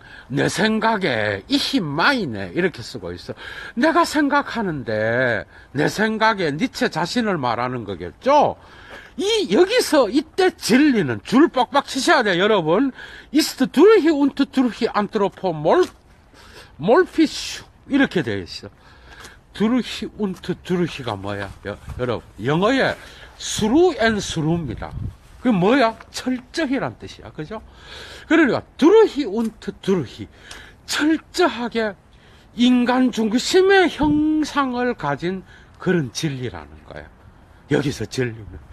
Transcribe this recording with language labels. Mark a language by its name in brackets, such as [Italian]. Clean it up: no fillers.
[Korean] 내 생각에, [German] 이히 마이네, [Korean] 이렇게 쓰고 있어. 내가 생각하는데, 내 생각에, 니체 자신을 말하는 거겠죠? 여기서 이때 진리는 줄 빡빡 치셔야 돼요, 여러분. [German] ist durch und durch anthropomorphisch, [Korean] 이렇게 되어 있어. [German] durch und durch가 [Korean] 뭐야? 여러분, 영어에 [English] through and through [Korean] 입니다. 그 뭐야? 철저히란 뜻이야, 그죠? 그러니까 [German] 두루히 운트 두루히, [Korean] 철저하게 인간 중심의 형상을 가진 그런 진리라는 거야, 여기서 진리는.